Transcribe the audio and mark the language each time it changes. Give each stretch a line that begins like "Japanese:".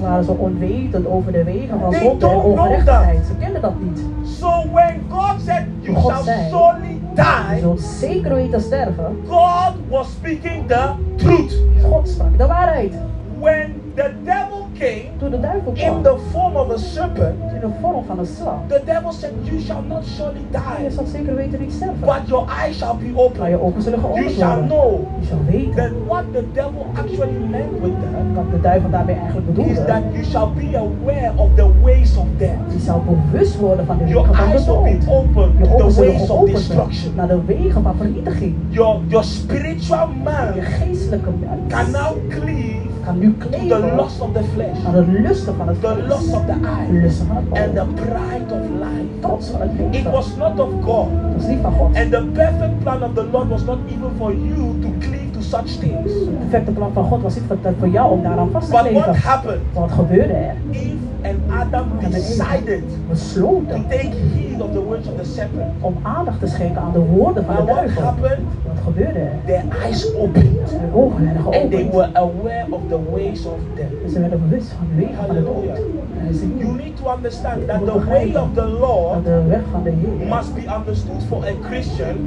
Dutch: Waren ze onwetend over de wegen van zonde en ongerechtigheid. Ze kenden dat niet.
English: So when God God
Dutch: zei,
English: surely die.
Dutch: Zult zeker weten sterven.
English: God was speaking the truth.
Dutch: God sprak de waarheid.
English: When the devil came,
Dutch: toen de duivel kwam,
English: in the form of a serpent,
Dutch: in de vorm van een slang,
English: the devil said, you shall not surely die.
Dutch: Je zal zeker weten niet sterven.
English: But your eyes shall be open.
Dutch: Maar je ogen zullen geopend worden.
English: You shall know.
Dutch: Je zal weten.
English: That what the devil actually meant with that,
Dutch: wat de duivel daarmee eigenlijk bedoelde,
English: is that you shall be aware of the ways of death.
Dutch: Je zal bewust worden van de
English: your
Dutch: wegen van de dood.
English: Eyes will be open to the ways of destruction.
Dutch: Naar de wegen van vernietiging.
English: Your spiritual man,
Dutch: je geestelijke man,
English: can now clean.
Dutch: Kan nu kleven
English: the lust of the flesh,
Dutch: aan de lusten van het vlees,
English: the lust of the eye,
Dutch: lusten van het oog,
English: and the pride of life,
Dutch: trots van het leven.
English: It was not of God,
Dutch: het was niet van God,
English: and the perfect plan of the Lord was not even for you to cleave to such things.
Dutch: Het perfecte plan van God was niet voor jou om daaraan vast te kleven.
English: But what happened?
Dutch: Wat gebeurde er?
English: Eve and Adam decided
Dutch: besloten
English: to take heed of the words of the serpent,
Dutch: om aandacht te schenken aan de woorden van de duivel.
English: What happened?
Dutch: Gebeurde.
English: Their eyes opened.
Dutch: Hun ogen werden geopend.
English: And they were aware of the ways of death.
Dutch: En ze werden bewust van de wegen van de dood.
English: You need to understand that the way of the Lord,
Dutch: de weg van de Heer,
English: must be understood for a Christian